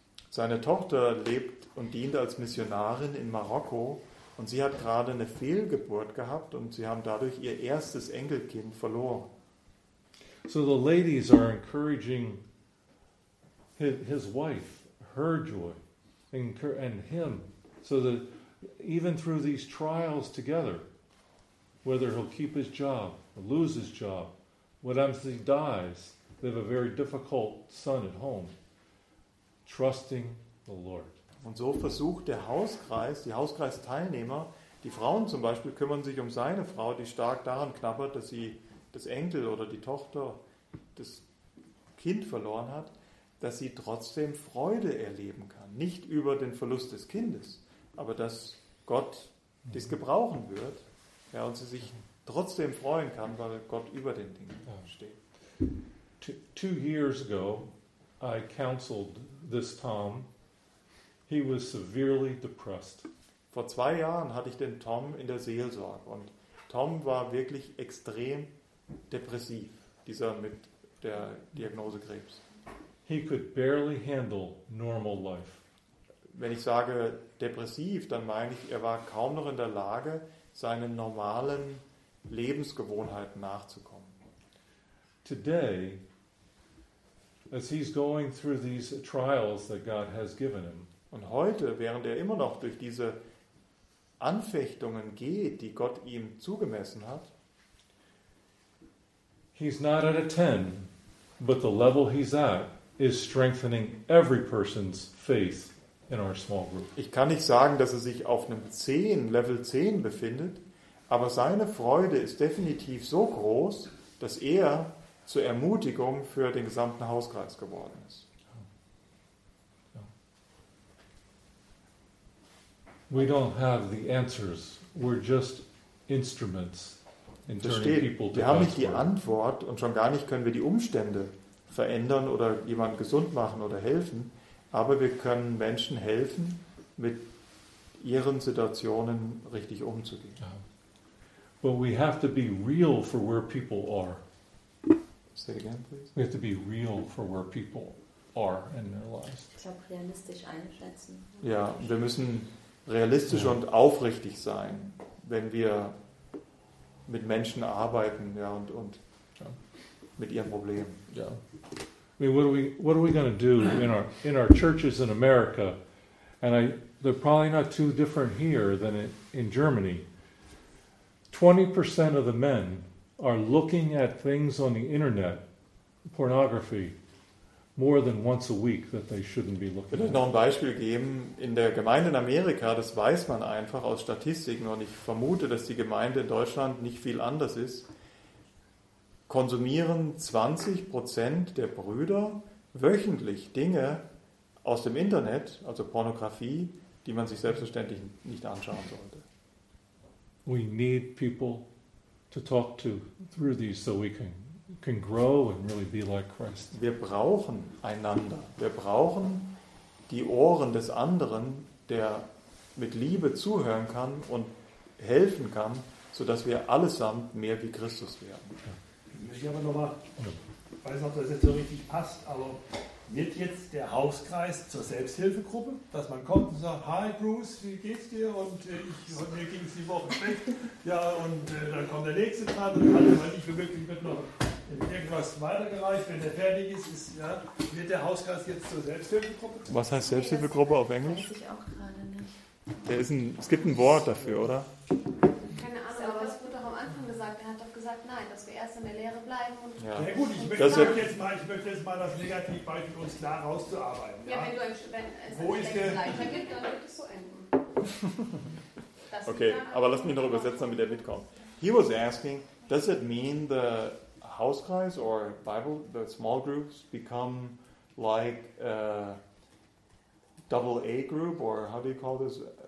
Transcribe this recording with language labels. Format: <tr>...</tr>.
<de>Seine Tochter lebt und dient als Missionarin in Marokko und sie hat gerade eine Fehlgeburt gehabt und sie haben dadurch ihr erstes Enkelkind verloren.</de> <en>So the ladies are encouraging his wife, her joy, and him, so that even through these trials together, whether he'll keep his job, lose his job, whatever he dies, they have a very difficult son at home, trusting the Lord.</en> <de>Und so versucht der Hauskreis, die Hauskreisteilnehmer, die Frauen zum Beispiel, kümmern sich um seine Frau, die stark daran knabbert, dass sie das Enkel oder die Tochter, das Kind verloren hat, dass sie trotzdem Freude erleben kann. Nicht über den Verlust des Kindes, aber dass Gott dies gebrauchen wird, ja, und sie sich trotzdem freuen kann, weil Gott über den Dingen steht.</de> <en>Two years ago, I counseled this Tom. He was severely depressed.</en> <de>Vor 2 Jahren hatte ich den Tom in der Seelsorge und Tom war wirklich extrem depressiv, dieser mit der Diagnose Krebs.</de> <en>He could barely handle normal life.</en> <de>Wenn ich sage depressiv, dann meine ich, er war kaum noch in der Lage, seinen normalen Lebensgewohnheiten nachzukommen.</de> <en>Today, as he's going through these trials that God has given him.</en> <de>Und heute, während immer noch durch diese Anfechtungen geht, die Gott ihm zugemessen hat,</de> <en>he's not at a 10, but the level he's at is strengthening every person's faith in our small group.</en> <de>Ich kann nicht sagen, dass sich auf einem 10, Level 10 befindet, aber seine Freude ist definitiv so groß, dass zur Ermutigung für den gesamten Hauskreis geworden ist.</de> <en>We don't have the answers. We're just instruments in turning people to God.</en> <de>Wir haben nicht die Antwort und schon gar nicht können wir die Umstände verändern oder jemanden gesund machen oder helfen, aber wir können Menschen helfen, mit ihren Situationen richtig umzugehen.</de> <en>But we have to be real for where people are. Say it again, please. We have to be real for where people are in their lives.</en> <de>Ich glaube, realistisch einschätzen. Ja, wir müssen realistisch und aufrichtig sein, wenn wir mit Menschen arbeiten, ja, und mit ihren Problemen. Ja.</de> <en>I mean, what are we going to do in our churches in America? And they're probably not too different here than in Germany. 20% of the men are looking at things on the internet, pornography, more than once a week that they shouldn't be looking at.</en> <de>Ich will noch ein Beispiel geben. In der Gemeinde in Amerika, das weiß man einfach aus Statistiken, und ich vermute, dass die Gemeinde in Deutschland nicht viel anders ist, konsumieren 20% der Brüder wöchentlich Dinge aus dem Internet, also Pornografie, die man sich selbstverständlich nicht anschauen sollte.</de> <en>We need people to talk to through these so we can grow and really be like Christ.</en> <de>Wir brauchen einander. Wir brauchen die Ohren des anderen, der mit Liebe zuhören kann und helfen kann, sodass wir allesamt mehr wie Christus werden. Ich möchte aber nochmal, ich weiß nicht, ob das jetzt so richtig passt, aber wird jetzt der Hauskreis zur Selbsthilfegruppe, dass man kommt und sagt, hi Bruce, wie geht's dir? Und mir ging es die Woche schlecht. Ja, und dann kommt der Nächste dran und kann man nicht wirklich mit noch irgendwas weitergereicht. Wenn der fertig ist, wird der Hauskreis jetzt zur Selbsthilfegruppe? Was heißt Selbsthilfegruppe auf Englisch? Weiß ich auch gerade nicht. Es gibt ein Wort dafür, oder? Keine Ahnung, aber es wurde doch am Anfang gesagt, er hat doch gesagt, nein, dass wir erst in der Lehre bleiben. Ich möchte jetzt mal das Negativbeispiel uns klar rauszuarbeiten. Ja, wenn du wenn es gibt, dann wird es so enden. Okay, aber lass mich noch übersetzen, damit er mitkommt.</de> <en>He was asking, does it mean the Hauskreis or Bible, the small groups become like a AA group or how do you call this?</en>